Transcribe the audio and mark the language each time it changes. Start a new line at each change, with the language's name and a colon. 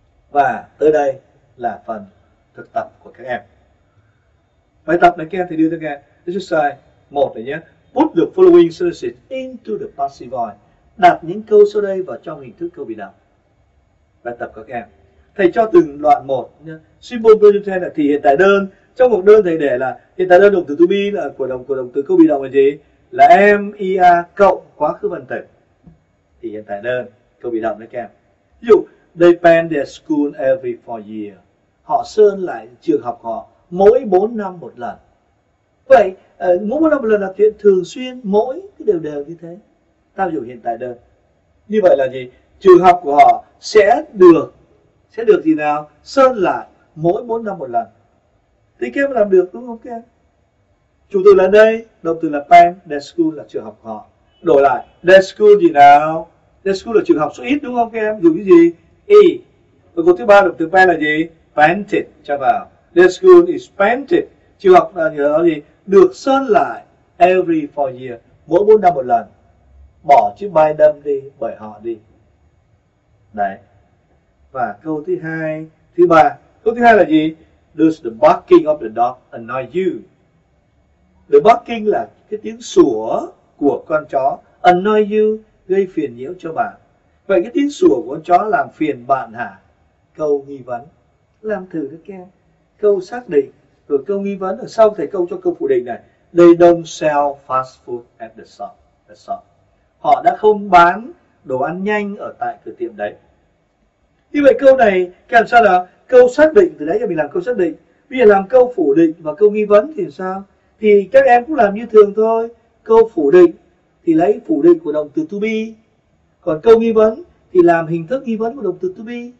Vietnamese: Và tới đây là phần thực tập của các em. Bài tập này các em thì đưa cho nghe. Exercise 1 này nhé.
English: Put the following sentences into the passive voice.
Vietnamese: Đặt những câu sau đây vào trong hình thức câu bị động. Bài tập của các em. Thầy cho từng đoạn một nhé.
English: Simple present tense
Vietnamese: là thì hiện tại đơn. Trong một đơn thầy để là hiện tại đơn động từ to be là của động từ câu bị động là gì? Là am, er cộng quá khứ phần tử. Thì hiện tại đơn câu bị động đấy các em. Ví dụ,
English: they paint their school every 4 years.
Vietnamese: Họ sơn lại trường học họ mỗi 4 năm một lần. Vậy, mỗi 4 năm một lần là chuyện thường xuyên, mỗi cái đều như thế. Ta dùng hiện tại đơn. Như vậy là gì? Trường học của họ sẽ được gì nào? Sơn lại mỗi 4 năm một lần. Thì các em làm được đúng không các em? Chủ từ là đây, động từ là paint,
English: their school
Vietnamese: là trường học của họ. Đổi lại, their school gì nào? Their school là trường học số ít đúng không các em? Dùng cái gì? E. Và câu thứ ba động từ paint là gì? Painted cho vào.
English: The school is painted.
Vietnamese: Trường học là nhớ gì? Được sơn lại
English: every 4 years.
Vietnamese: Mỗi 4 năm một lần. Bỏ chữ
English: by them
Vietnamese: đi, bởi họ đi. Đấy. Và câu thứ hai, thứ ba. Câu thứ hai là gì?
English: Does the barking of the dog annoy you? The barking
Vietnamese: là cái tiếng sủa của con chó.
English: Annoy you,
Vietnamese: gây phiền nhiễu cho bạn. Vậy cái tiếng sủa của con chó làm phiền bạn hả? Câu nghi vấn. Làm thử các em. Câu xác định rồi câu nghi vấn, ở sau thầy câu cho câu phủ định này.
English: They don't sell fast food at the shop.
Vietnamese: Họ đã không bán đồ ăn nhanh ở tại cửa tiệm đấy. Như vậy câu này làm sao là câu xác định, từ đấy giờ mình làm câu xác định. Bây giờ làm câu phủ định và câu nghi vấn thì sao? Thì các em cũng làm như thường thôi. Câu phủ định thì lấy phủ định của động từ to be. Còn câu nghi vấn thì làm hình thức nghi vấn của động từ to be.